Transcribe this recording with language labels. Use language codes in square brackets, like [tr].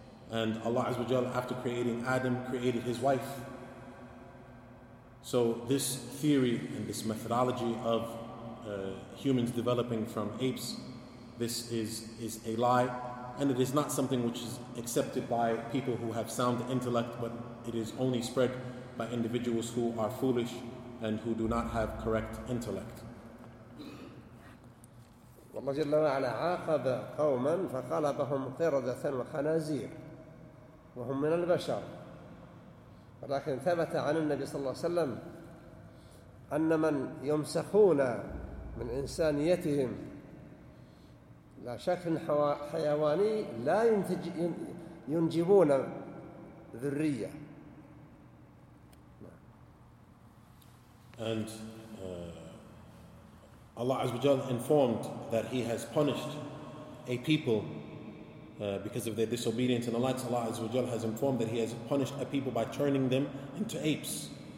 [en] And Allah Azza wa Jalla, after creating Adam, created his wife. So this theory and this methodology of humans developing from apes, this is a lie. And it is not something which is accepted by people who have sound intellect, but it is only spread by individuals who are foolish and who do not have correct intellect. [ar] والله جل وعلا عاقب قوما فخلقهم قردة وخنازير وهم من البشر، ولكن ثبت عن النبي صلى الله عليه وسلم أن من يمسخون من إنسانيتهم لا شكل حيواني لا ينجبون ذرية. [en] And Allah Azza wa Jalla informed that He has punished a people because of their disobedience, and Allah Azza wa Jalla has informed that He has punished a people by turning them into apes.